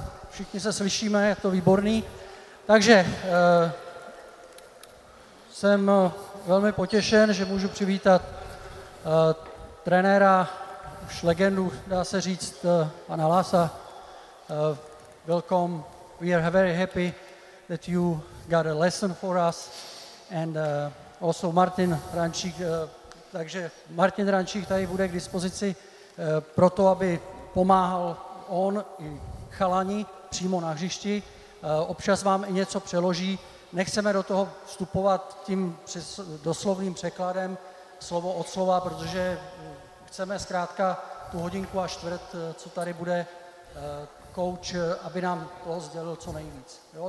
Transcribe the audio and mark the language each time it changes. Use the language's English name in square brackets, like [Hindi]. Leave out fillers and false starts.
[Czech] Všichni se slyšíme, je to výborný. Takže jsem velmi potěšen, že můžu přivítat trenéra, už legendu, dá se říct, pana Lasa. [English] Welcome. We are very happy that you got a lesson for us. And also Martin Rančík. [Czech] Takže Martin Rančík tady bude k dispozici pro to, aby pomáhal on i chalani přímo na hřišti. Občas vám i něco přeloží. Nechceme do toho vstupovat tím doslovným překladem slovo od slova, protože chceme zkrátka tu hodinku a čtvrt, co tady bude coach, aby nám toho sdělil co nejvíc. Jo?